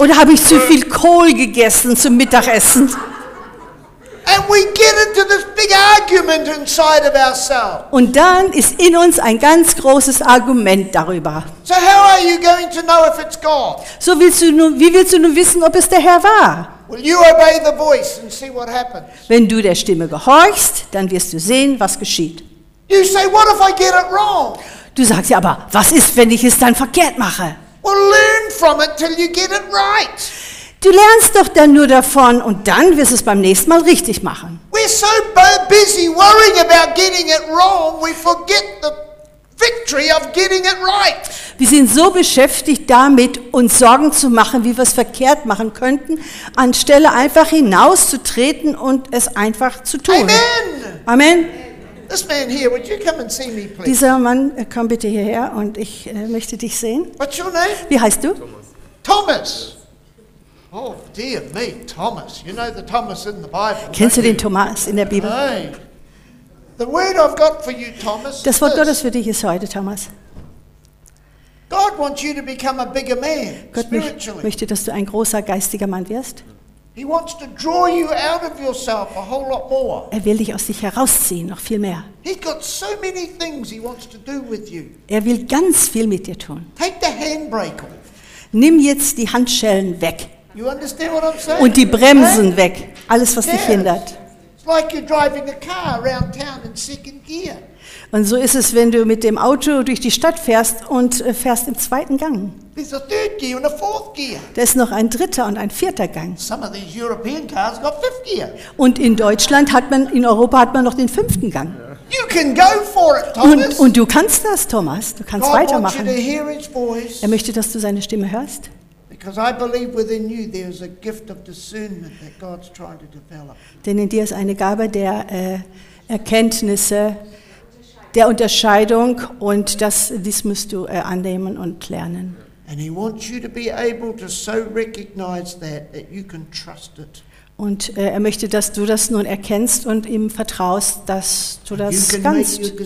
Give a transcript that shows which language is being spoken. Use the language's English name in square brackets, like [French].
[German] Oder habe ich zu viel Kohl gegessen zum Mittagessen? [English] And we get into this big argument inside of ourselves. [German] Und dann ist in uns ein ganz großes Argument darüber. [English] So how are you going to know if it's God? [German] So wie willst du nun wissen, ob es der Herr war? [English] Will you obey the voice and see what happens? [German] Wenn du der Stimme gehorchst, dann wirst du sehen, was geschieht. [English] You say, what if I get it wrong? [German] Du sagst ja, aber was ist, wenn ich es dann verkehrt mache? [English] Well, learn from it till you get it right. [German] Du lernst doch dann nur davon und dann wirst du es beim nächsten Mal richtig machen. [English] We're so busy worrying about getting it wrong, we forget the victory of getting it right. [German] Wir sind so beschäftigt damit, uns Sorgen zu machen, wie wir es verkehrt machen könnten, anstelle einfach hinauszutreten und es einfach zu tun. [English] Amen. [German] Amen. [English] This man here, would you come and see me, please? [German] Dieser Mann, komm bitte hierher und ich möchte dich sehen. [English] What's your name? [German] Wie heißt du? [English] Thomas. Oh, dear me, Thomas. You know the Thomas in the Bible. [German] Kennst du den Thomas in der Bibel? Nein. [English] The word I've got for you, Thomas. [German] Das Wort Gottes für dich ist heute, Thomas. [English] God wants you to become a bigger man. [German] Gott möchte, dass du ein großer geistiger Mann wirst. [English] He wants to draw you out of yourself a whole lot more. [German] Er will dich aus sich herausziehen, noch viel mehr. [English] He's got so many things he wants to do with you. [German] Er will ganz viel mit dir tun. [English] Take the handbrake off. [German] Nimm jetzt die Handschellen weg. [English] You understand what I'm saying? [German] Und die Bremsen weg, alles was dich hindert. [English] It's like you're driving a car around town in second gear. [German] Und so ist es, wenn du mit dem Auto durch die Stadt fährst und fährst im zweiten Gang. [English] There's a third gear and a fourth gear. [German] Da ist noch ein dritter und ein vierter Gang. [English] Some of these European cars got fifth gear. [German] Und in Deutschland hat man, in Europa hat man noch den fünften Gang. Yeah. [English] You can go for it, Thomas. [German] Und du kannst das, Thomas. Du kannst [English] God [German] weitermachen. [English] Wants you to hear his voice. [German] Er möchte, dass du seine Stimme hörst. [English] Because I believe within you there is a gift of discernment that God's trying to develop. [German] Denn in dir ist eine Gabe der Erkenntnisse, der Unterscheidung, und dies musst du annehmen und lernen. [English] And he wants you to be able to so recognize that you can trust it. [German] Und er möchte, dass du das nun erkennst und ihm vertraust, dass du das kannst.